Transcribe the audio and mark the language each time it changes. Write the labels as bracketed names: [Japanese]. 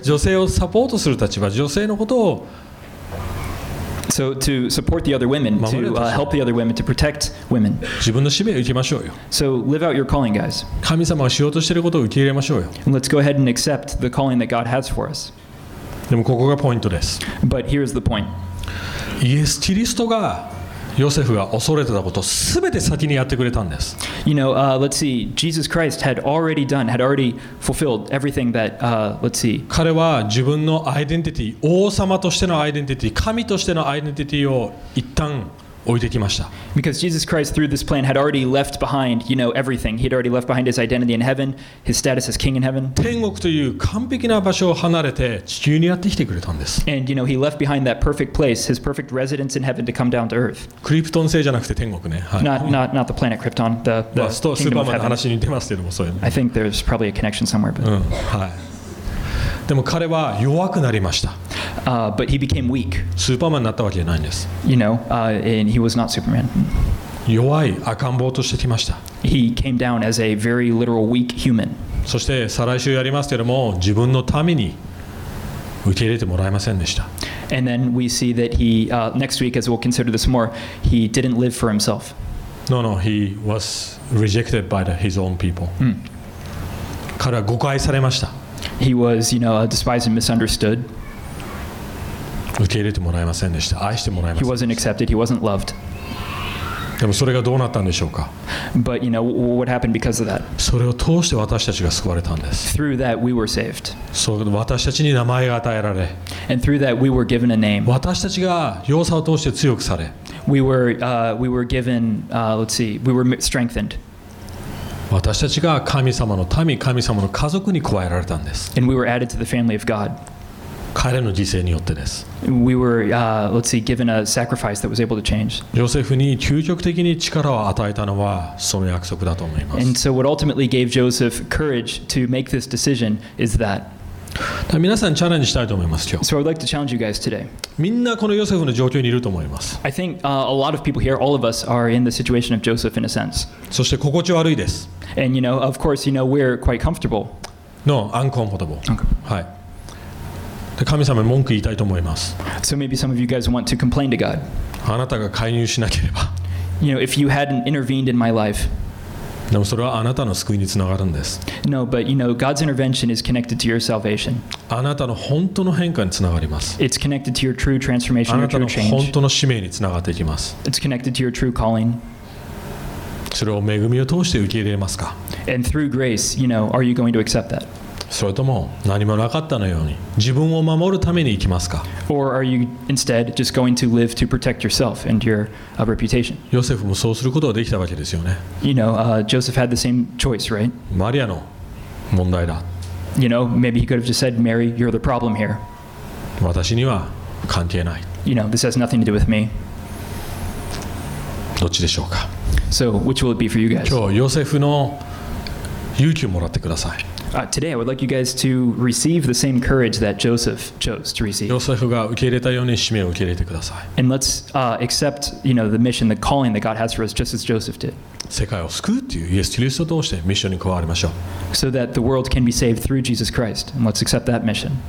[Japanese] 女性をサポートする立場、女性のことを。 [English] So to support the other women, to help the other women, to protect women. [Japanese] 自分の使命を受けましょうよ。 [English] So live out your calling, guys. [Japanese] 神様がしようとしていることを受け入れましょうよ。 [English] And let's go ahead and accept the calling that God has for us. [Japanese] でもここがポイントです。 [English] But here's the point. [Japanese] イエス・キリストがヨセフが恐れてたことをすべて先にやってくれたんです。 [English] You know, let's see. Jesus Christ had already fulfilled everything that, let's see. [Japanese] 彼は自分のアイデンティティ、王様としてのアイデンティティ、神としてのアイデンティティを一旦置いてきました。 [English] Because Jesus Christ, through this plan, had already left behind, you know, everything. He had already left behind his identity in heaven, his status as king in heaven. [Japanese] 天国という完璧な場所を離れて地球にやってきてくれたんです。 [English] And you know, he left behind that perfect place, his perfect residence in heaven to come down to earth. [Japanese] クリプトン星じゃなくて天国ね。はい、 [English] not the planet Krypton, the kingdom of heaven. [Japanese] スーパーマンの話に出ますけども、そういうの。 [English] I think there's probably a connection somewhere, but. [Japanese] うん、はい。でも彼は弱くなりました。 [English] But he became weak. [Japanese] スーパーマンになったわけじゃないんです。 [English] You know, and he was not Superman. [Japanese] 弱い赤ん坊としてきました。 [English] He came down as a very literal weak human. [Japanese] そして再来週やりますけれども、自分のために受け入れてもらえませんでした。 [English] And then we see that he, next week, as we'll consider this more, he didn't live for himself. No, he was rejected by his own people. [Japanese] 彼は誤解されました。 [English] He was, you know, despised and misunderstood. [Japanese] 受け入れてもらえませんでした。愛してもらえませんでした。 [English] He wasn't accepted. He wasn't loved. [Japanese] でもそれがどうなったんでしょうか。 [English] But you know what happened because of that? [Japanese] それを通して私たちが救われたんです。 [English] Through that we were saved. [Japanese] そう、私たちに名前が与えられ。 [English] And through that we were given a name. [Japanese] 私たちが弱さを通して強くされ。 [English] We were given, let's see, we were strengthened. [Japanese] 私たちが神様の民、神様の家族に加えられたんです。 [English] And we were added to the family of God. [Japanese] 彼の犠牲によってです。 [English] We were, let's see, given a sacrifice that was able to change. [Japanese] ヨセフに究極的に力を与えたのはその約束だと思います。 [English] And so what ultimately gave Joseph courage to make this decision is that. [Japanese] 皆さんチャレンジしたいと思います、今日。 [English] So I would like to challenge you guys today. [Japanese] みんなこのヨセフの状況にいると思います。 [English] I think, a lot of people here, all of us, are in the situation of Joseph in a sense. [Japanese] そして心地悪いです。 [English] And you know, of course, you know we're quite comfortable. No, uncomfortable. Okay. [Japanese] はい。神様に文句言いたいと思います。 [English] So maybe some of you guys want to complain to God. [Japanese] あなたが介入しなければ。 [English] You know, if you hadn't intervened in my life. [Japanese] でもそれはあなたの救いにつながるんです。 [English] No, but you know, God's intervention is connected to your salvation. [Japanese] あなたの本当の変化につながります。 [English] It's connected to your true transformation, your true change. [Japanese] あなたの本当の使命につながっていきます。 [English] It's connected to your true calling. [Japanese] それを恵みを通して受け入れますか。 [English] And through grace, you know, are you going to accept that? [Japanese] それとも何もなかったのように自分を守るために行きますか。 [English] Or are you instead just going to live to protect yourself and your reputation? [Japanese] ヨセフもそうすることができたわけですよね。 [English] You know, Joseph had the same choice, right? [Japanese] マリアの問題だ。 [English] You know, maybe he could have just said, Mary, you're the problem here. [Japanese] 私には関係ない。 [English] You know, this has nothing to do with me. [Japanese] どっちでしょうか。 [English] So, which will it be for you guys? [Japanese] 今日ヨセフの勇気をもらってください。 [English] Today, I would like you guys to receive the same courage that Joseph chose to receive. [Japanese] ヨセフが受け入れたように使命を受け入れてください。 [English] And let's accept, you know, the mission, the calling that God has for us, just as Joseph did. [Japanese] 世界を救うというイエス・キリストを通してミッションに加わりましょう。 [English] So that the world can be saved through Jesus Christ. And let's accept that mission.